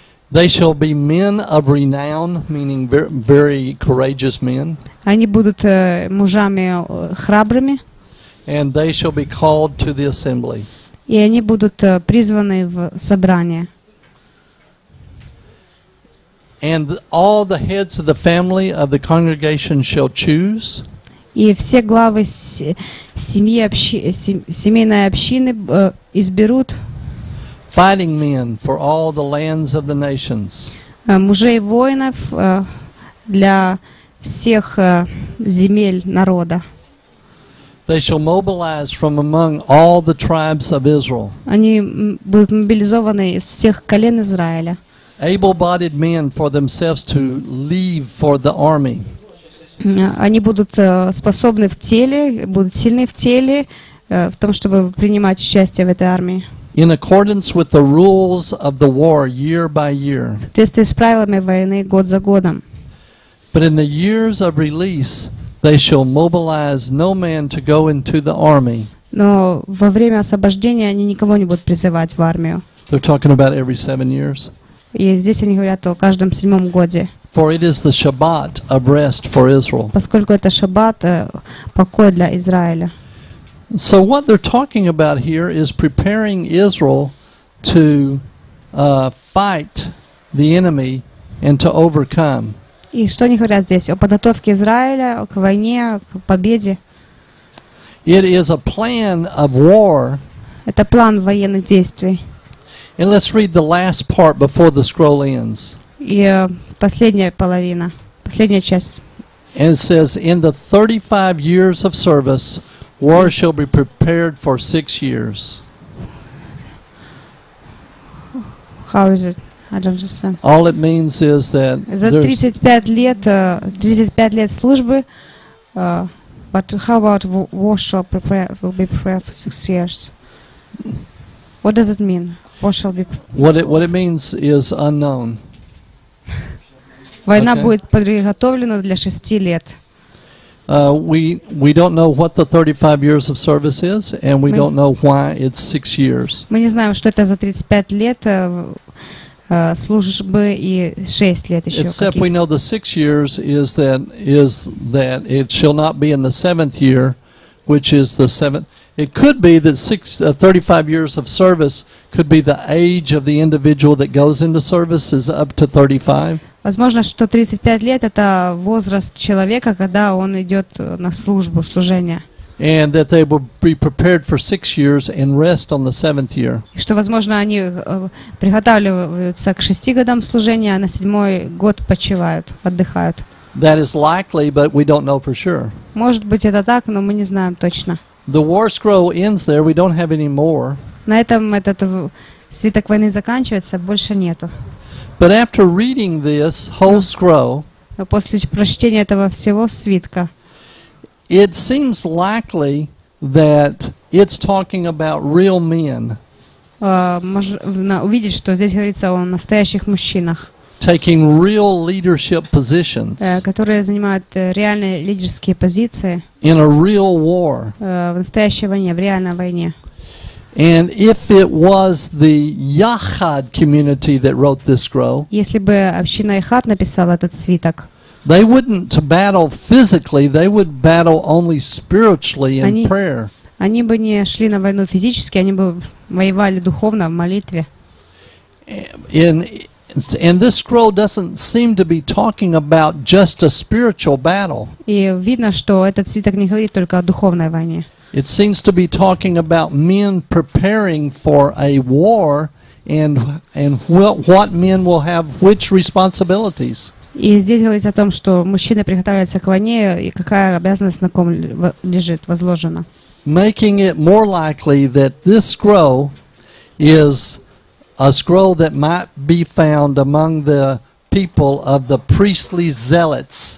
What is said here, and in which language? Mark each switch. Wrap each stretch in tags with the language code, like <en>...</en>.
<en>They shall be men of renown, meaning very, very courageous men.</en> <ru>Они будут мужами храбрыми.</ru> <en>And they shall be called to the assembly.</en> <ru>И они будут призваны в собрание.</ru> <en>And all the heads of the family of the congregation shall choose.</en> <ru>И все главы семейной общины изберут.</ru> <en>Fighting men for all the lands of the nations.</en> <ru>Мужей воинов для всех земель народа.</ru> <en>They shall mobilize from among all the tribes of Israel.</en> <ru>Они будут мобилизованы из всех колен Израиля.</ru> <en>Able-bodied men for themselves to leave for the army.</en> <ru>Они будут способны в теле, будут сильны в теле, в том, чтобы принимать участие в этой армии.</ru> <en>In accordance with the rules of the war, year by year.</en> <ru>Соответствуя с правилами войны год за годом.</ru> <en>But in the years of release, they shall mobilize no man to go into the army.</en> <ru>Но во время освобождения они никого не будут призывать в армию.</ru> <en>They're talking about every 7 years.</en> <ru>И здесь они говорят о каждом седьмом годе.</ru> <en>For it is the Shabbat of rest for Israel.</en> <ru>Поскольку это Шаббат, покой для Израиля.</ru> <en>So what they're talking about here is preparing Israel to fight the enemy and to overcome.</en> <ru>И что они говорят здесь? О подготовке Израиля к войне, к победе.</ru> <en>It is a plan of war.</en> <ru>Это план военных действий.</ru> <en>And let's read the last part before the scroll ends.</en> <ru>И последняя половина, последняя часть.</ru> <en>And it says, in the 35 years of service, war shall be prepared for 6 years. How is it? I don't understand. All it means is that</en> <ru>за 35 лет службы,</ru> <en>but how about war shall be prepared for 6 years? What does it mean? War shall be prepared. What it means is unknown.</en> <ru>Война будет подготовлена для 6 лет.</ru> <en>We don't know what the 35 years of service is, and we don't know why it's 6 years.</en> <ru>Мы не знаем, что это за 35 лет службы и 6 лет еще.</ru> <en>Except we know the 6 years is that it shall not be in the 7th year, which is the 7th. It could be that 35 years of service could be the age of the individual that goes into service is up to 35.</en> <ru>Возможно, что 35 лет это возраст человека, когда он идет на службу, служение.</ru> <en>And that they will be prepared for 6 years and rest on the 7th year.</en> <ru>Что, возможно, они приготавливаются к 6 годам служения, а на 7-й год почивают, отдыхают.</ru> <en>That is likely, but we don't know for sure.</en> <ru>Может быть, это так, но мы не знаем точно.</ru> <en>The war scroll ends there. We don't have any more.</en> <ru>На этом этот свиток войны заканчивается, больше нету.</ru> <en>But after reading this whole scroll,</en> <ru>но после прочтения этого всего свитка,</ru> <en>it seems likely that it's talking about real men.</en> <ru>Можно увидеть, что здесь говорится о настоящих мужчинах,</ru> <en>taking real leadership positions,</en> <ru>которые занимают реальные лидерские позиции,</ru> <en>in a real war,</en> <ru>в настоящей войне, в реальной войне.</ru> <en>And if it was the Yahad community that wrote this scroll,</en> <ru>если бы община Яхад написала этот свиток,</ru> <en>they wouldn't battle physically, they would battle only spiritually in prayer.</en> <ru>Они бы не шли на войну физически, они бы воевали духовно в молитве.</ru> <en>And this scroll doesn't seem to be talking about just a spiritual battle.</en> <ru>И видно, что этот свиток не говорит только о духовной войне.</ru> <en>It seems to be talking about men preparing for a war and what men will have which responsibilities.</en> <ru>И здесь говорится о том, что мужчины приготовляются к войне и какая обязанность на ком лежит, возложена.</ru> <en>Making it more likely that this scroll is a scroll that might be found among the people of the priestly zealots.</en>